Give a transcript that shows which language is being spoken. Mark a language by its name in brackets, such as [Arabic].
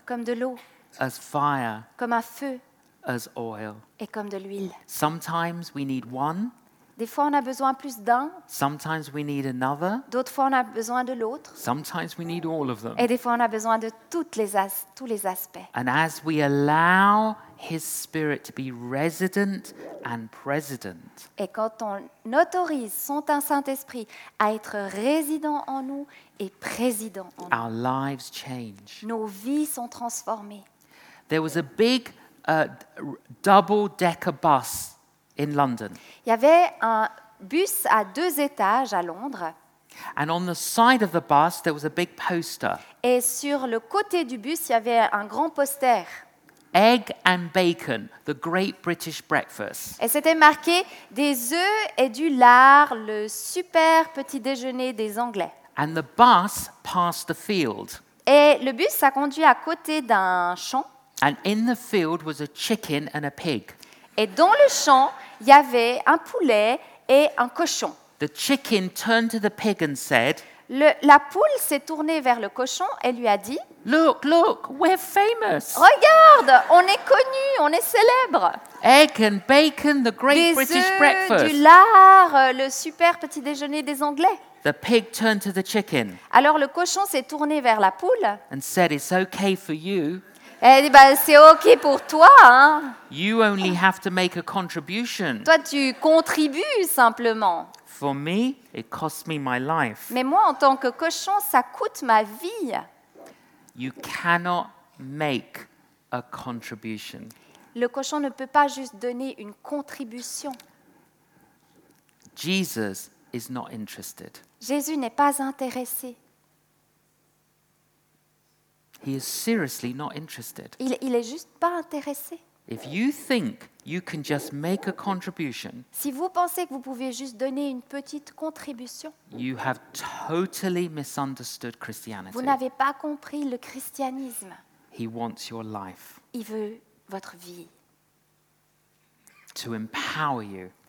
[French] Comme de l'eau. [English] As fire. [French] Comme un feu. [English] As oil. [French] Et comme de l'huile. [English] Sometimes we need one. [French] Des fois on a besoin plus d'un. [English] Sometimes we need another. [French] D'autres fois on a besoin de l'autre. [English] Sometimes we need all of them. [French] Et des fois on a besoin de toutes les tous les aspects. [English] And as we allow his spirit to be resident and present. [French] Et quand on autorise son Saint-Esprit à être résident en nous et président en nous. [English] Our lives change. [French] Nos vies sont transformées. [English] There was a big double-decker bus in London. [French] Il y avait un bus à deux étages à Londres. [English] And on the side of the bus, there was a big poster. [French] Et sur le côté du bus, il y avait un grand poster. [English] Egg and bacon, the great British breakfast. [French] Et c'était marqué des œufs et du lard, le super petit déjeuner des Anglais. [English] And the bus passed the field. [French] Et le bus a conduit à côté d'un champ. [English] And in the field was a chicken and a pig. [French] Et dans le champ, il y avait un poulet et un cochon. [English] The chicken turned to the pig and said, [French] la poule s'est tournée vers le cochon et lui a dit, [English] Look, look, we're famous. [French] Regarde, on est connu, on est célèbre. [English] Egg and bacon, the great des British [French] œufs, [English] breakfast. [French] Du lard, le super petit déjeuner des Anglais. [English] The pig turned to the chicken. [French] Alors le cochon s'est tourné vers la poule. [English] And said, it's okay for you. [French] Elle dit, bah, c'est OK pour toi. Hein. [English] You only have to make a contribution. [French] Toi, tu contribues simplement. [English] For me, it costs me my life. [French] Mais moi, en tant que cochon, ça coûte ma vie. [English] You cannot make a contribution. [French] Le cochon ne peut pas juste donner une contribution. [English] Jesus is not interested. [French] Jésus n'est pas intéressé. [English] He is seriously not interested. [French] Il est juste pas intéressé. [English] If you think you can just make a contribution, [French] si vous pensez que vous pouvez juste donner une petite contribution, [English] you have totally misunderstood Christianity. [French] Vous n'avez pas compris le christianisme. [English] He wants your life. [French] Il veut votre vie. [English] To empower you.